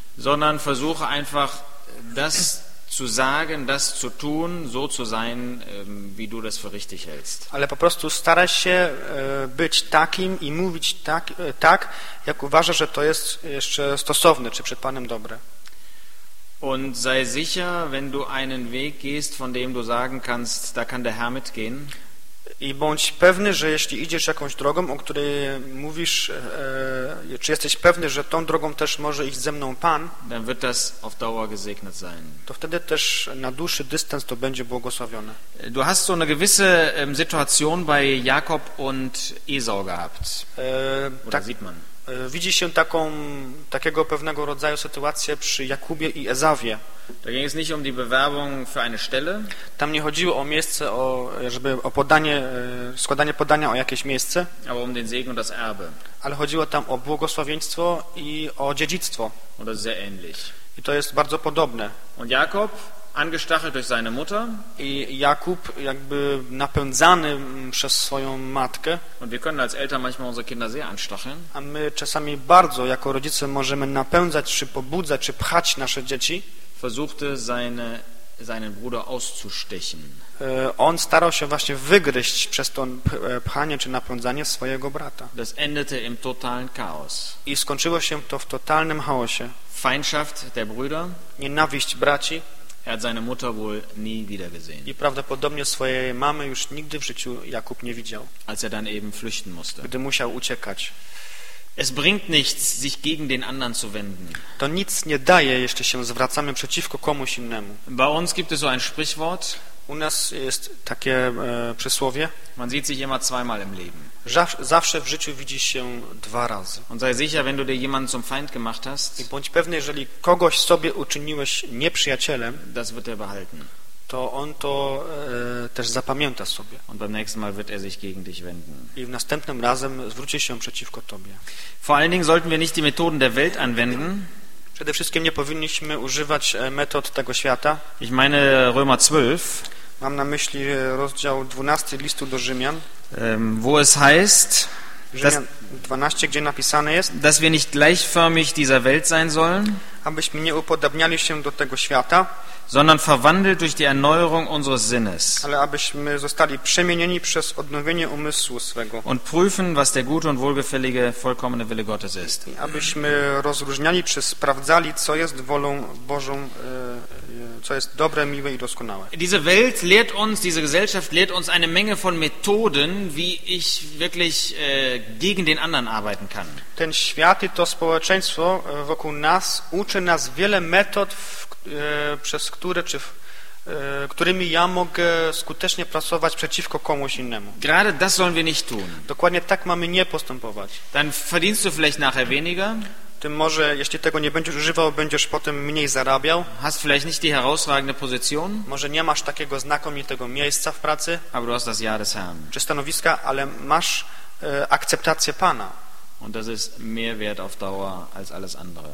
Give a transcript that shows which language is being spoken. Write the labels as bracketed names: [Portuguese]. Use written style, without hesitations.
[German] sondern versuche einfach das zu sagen, das zu tun, so zu sein, wie du das für richtig hältst. [Polish] Ale po prostu staraj się być takim i mówić tak, jak uważasz, że to jest jeszcze stosowne, czy przed Panem dobre. [German] Und sei sicher, wenn du einen Weg gehst, von dem du sagen kannst, da kann der Herr mitgehen. [Polish] I bądź pewny, że jeśli idziesz jakąś drogą, o której mówisz, czy jesteś pewny, że tą drogą też może iść ze mną Pan, [German] dann wird das auf Dauer gesegnet sein. [Polish] To wtedy też na dłuższy dystans to będzie błogosławione. [German] Du hast so eine gewisse Situation bei Jakob und Esau gehabt. Tak, sieht man. [Polish] Widzi się takiego pewnego rodzaju sytuację przy Jakubie i Ezawie. [German] Da ging es nicht um die Bewerbung für eine Stelle. [Polish] Tam nie chodziło o miejsce, o podanie, składanie podania o jakieś miejsce. [German] Aber um den Segen und das Erbe. [Polish] Ale chodziło tam o błogosławieństwo i o dziedzictwo. [German] Und das ist sehr ähnlich. [Polish] I to jest bardzo podobne. [German] Und Jakob, angestachelt durch seine Mutter. [Polish] I Jakub jakby napędzany przez swoją matkę. [German] Und wir können als Eltern manchmal unsere Kinder sehr anstacheln. [Polish] A my czasami bardzo jako rodzice możemy napędzać, czy pobudzać, czy pchać nasze dzieci. [German] Versuchte seinen Bruder auszustechen. [Polish] On starał się właśnie wygryźć przez to pchanie czy napędzanie swojego brata. [German] Das endete im totalen Chaos. [Polish] I skończyło się to w totalnym chaosie. [German] Feindschaft der Brüder. [Polish] Nienawiść braci. [German] Er hat seine Mutter wohl nie wieder gesehen. [Polish] I prawdopodobnie swojej mamy już nigdy w życiu Jakub nie widział. [German] Als er dann eben flüchten musste. [Polish] Gdy musiał uciekać. [German] Es bringt nichts, sich gegen den anderen zu wenden. [Polish] To nic nie daje, jeśli się zwracamy przeciwko komuś innemu. [German] Bei uns gibt es so ein Sprichwort. [Polish] U nas jest takie przysłowie. [German] Man sieht sich immer zweimal im Leben. [Polish] Zawsze w życiu widzi się dwa razy. [German] Und sei sicher, wenn du dir jemanden zum Feind gemacht hast. [Polish] I bądź pewny, jeżeli kogoś sobie uczyniłeś nieprzyjacielem, [German] das wird er behalten. [Polish] To on to też zapamięta sobie. [German] Und beim nächsten Mal wird er sich gegen dich wenden. [Polish] I w następnym razem zwróci się przeciwko tobie. [German] Vor allen Dingen sollten wir nicht die Methoden der Welt anwenden. [Polish] Przede wszystkim nie powinniśmy używać metod tego świata. [German] Ich meine Römer 12. [Polish] Mam na myśli rozdział 12 listu do Rzymian. [German] Wo es heißt, [Polish] Rzymian 12, gdzie napisane jest, [German] dass wir nicht gleichförmig dieser Welt sein sollen, [Polish] abyśmy nie upodabniali się do tego świata, [German] sondern verwandelt durch die Erneuerung unseres Sinnes. [Polish] Ale abyśmy zostali przemienieni przez odnowienie umysłu swego. [German] Und prüfen, was der gute und wohlgefällige vollkommene Wille Gottes ist. [Polish] Abyśmy rozróżniali, czy sprawdzali, co jest wolą Bożą, co jest dobre, miłe i doskonałe. [German] Diese Welt lehrt uns, diese Gesellschaft lehrt uns eine Menge von Methoden, wie ich wirklich gegen den anderen arbeiten kann. [Polish] Ten świat i to społeczeństwo wokół nas uczy nas wiele metod, przez które czy którymi ja mogę skutecznie pracować przeciwko komuś innemu. [German] Gerade das sollen wir nicht tun. [Polish] Dokładnie tak mamy nie postępować. [German] Dann verdienst du vielleicht nachher weniger. [Polish] Ty może, jeśli tego nie będziesz używał, będziesz potem mniej zarabiał. [German] Hast vielleicht nicht die herausragende Position. [Polish] Może nie masz takiego znakomitego miejsca w pracy. [German] Aber du hast das Jahr des Herrn. [Polish] Czy stanowiska, ale masz akceptację Pana. [German] Und das ist mehr wert auf Dauer als alles andere.